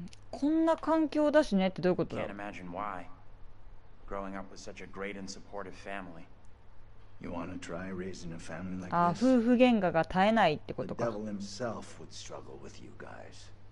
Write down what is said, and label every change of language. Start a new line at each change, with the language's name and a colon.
Japanese: こんな環境だしねってどういうことだ。
English: Can't imagine why. Growing up with such a great and supportive family. You wanna try raising a family like
Japanese: あ、夫婦喧嘩が絶えないってことか。
English: The devil himself would struggle with you guys.